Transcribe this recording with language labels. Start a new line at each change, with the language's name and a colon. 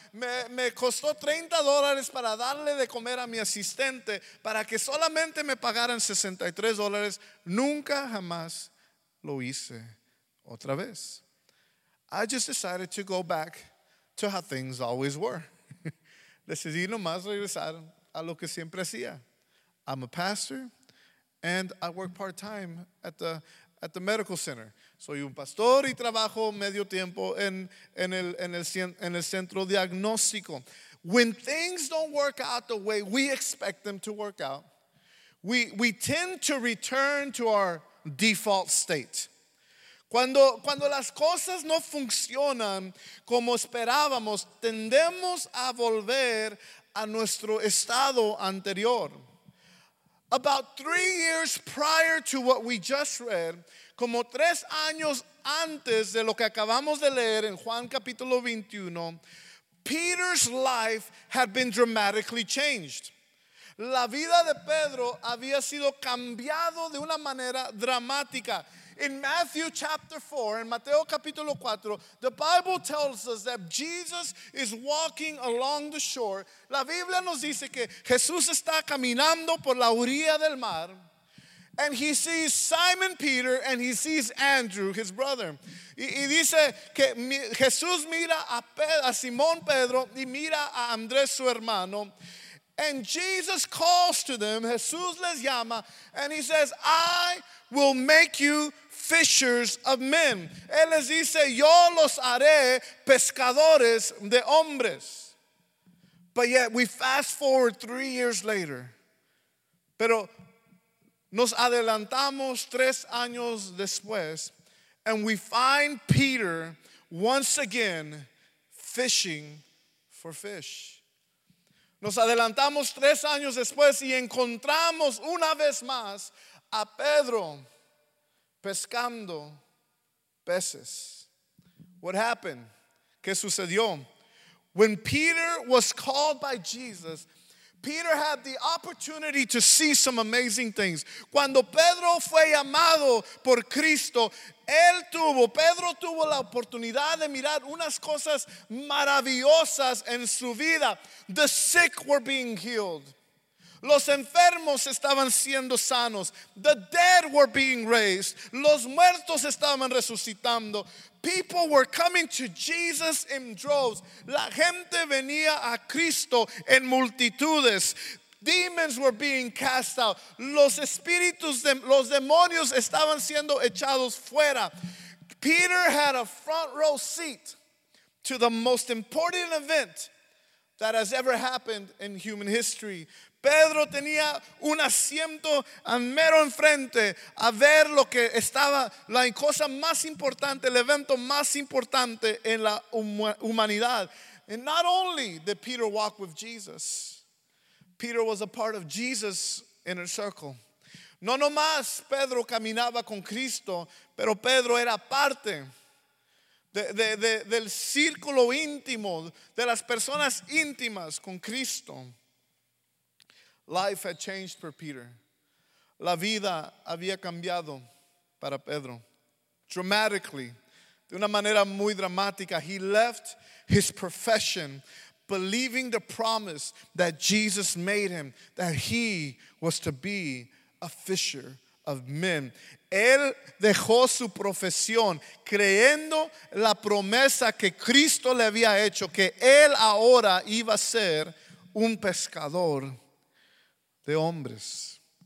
Spanish: Me costó $30 para darle de comer a mi asistente para que solamente me pagaran $63. Nunca jamás lo hice otra vez.
English: I just decided to go back to how things always were.
Spanish: Decidí nomás regresar a lo que siempre hacía.
English: I'm a pastor, and I work part-time at the medical center.
Spanish: Soy un pastor y trabajo medio tiempo en el centro diagnóstico.
English: When things don't work out the way we expect them to work out, we tend to return to our default state.
Spanish: Cuando las cosas no funcionan como esperábamos, tendemos a volver a nuestro estado anterior.
English: About 3 years prior to what we just read,
Spanish: como 3 años antes de lo que acabamos de leer en Juan capítulo 21,
English: Peter's life had been dramatically changed.
Spanish: La vida de Pedro había sido cambiado de una manera dramática.
English: In Matthew chapter 4, in
Spanish: Mateo capítulo 4,
English: the Bible tells us that Jesus is walking along the shore.
Spanish: La Biblia nos dice que Jesús está caminando por la orilla del mar.
English: And he sees Simon Peter and he sees Andrew, his brother.
Spanish: Y dice que Jesús mira a Simón Pedro y mira a Andrés, su hermano.
English: And Jesus calls to them,
Spanish: Jesús les llama,
English: and he says, I will make you fishers of men.
Spanish: Él les dice, yo los haré pescadores de hombres.
English: But yet we fast forward 3 years later.
Spanish: Pero nos adelantamos 3 años después,
English: and we find Peter once again fishing for fish.
Spanish: Nos adelantamos 3 años después y encontramos una vez más a Pedro pescando peces.
English: What happened?
Spanish: ¿Qué sucedió?
English: When Peter was called by Jesus, Peter had the opportunity to see some amazing things.
Spanish: Cuando Pedro fue llamado por Cristo, Pedro tuvo la oportunidad de mirar unas cosas maravillosas en su vida.
English: The sick were being healed.
Spanish: Los enfermos estaban siendo sanos.
English: The dead were being raised.
Spanish: Los muertos estaban resucitando.
English: People were coming to Jesus in droves.
Spanish: La gente venía a Cristo en multitudes.
English: Demons were being cast out.
Spanish: Los demonios estaban siendo echados fuera.
English: Peter had a front row seat to the most important event that has ever happened in human history.
Spanish: Pedro tenía un asiento mero enfrente a ver lo que estaba, la cosa más importante, el evento más importante en la humanidad.
English: And not only did Peter walk with Jesus, Peter was a part of Jesus' inner circle.
Spanish: No nomás Pedro caminaba con Cristo, pero Pedro era parte del círculo íntimo, de las personas íntimas con Cristo.
English: Life had changed for Peter.
Spanish: La vida había cambiado para Pedro.
English: Dramatically,
Spanish: de una manera muy dramática,
English: he left his profession, believing the promise that Jesus made him, that he was to be a fisher of men.
Spanish: Él dejó su profesión creyendo la promesa que Cristo le había hecho, que él ahora iba a ser un pescador de hombres.